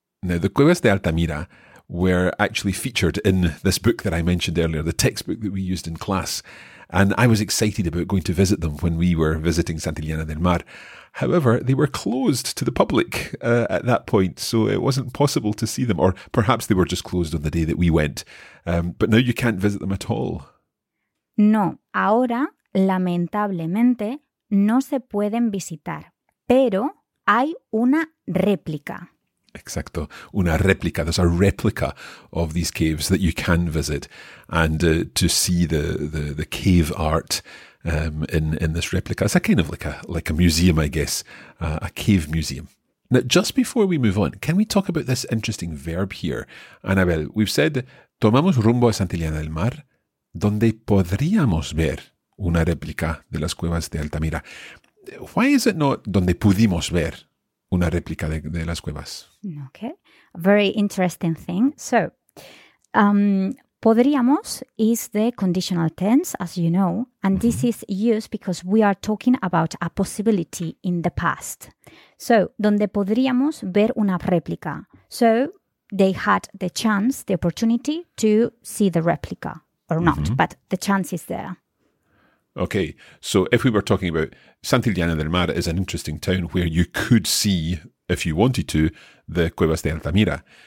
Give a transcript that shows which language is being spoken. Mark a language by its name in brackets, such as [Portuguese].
[English] Now, the cuevas de Altamira were actually featured in this book that I mentioned earlier, the textbook that we used in class. And I was excited about going to visit them when we were visiting Santillana del Mar. However, they were closed to the public at that point, so it wasn't possible to see them. Or perhaps they were just closed on the day that we went. But now you can't visit them at all. [Spanish] No, ahora, lamentablemente, no se pueden visitar. Pero hay una réplica. Exacto, una réplica. [English] There's a replica of these caves that you can visit and to see the cave art in this replica. It's a kind of like a museum, I guess, a cave museum. Now, just before we move on, can we talk about this interesting verb here? [Spanish] Anabel, [English] we've said, [Spanish] tomamos rumbo a Santillana del Mar, donde podríamos ver una réplica de las cuevas de Altamira. [English] Why is it not [Spanish] donde pudimos ver una réplica de las cuevas? [English] Okay, very interesting thing. So, podríamos is the conditional tense, as you know, and this is used because we are talking about a possibility in the past. [Spanish] So, donde podríamos ver una réplica. [English] So, they had the chance, the opportunity to see the réplica or not, but the chance is there. Okay, so if we were talking about Santillana del Mar is an interesting town where you could see, if you wanted to, the Cuevas de Altamira.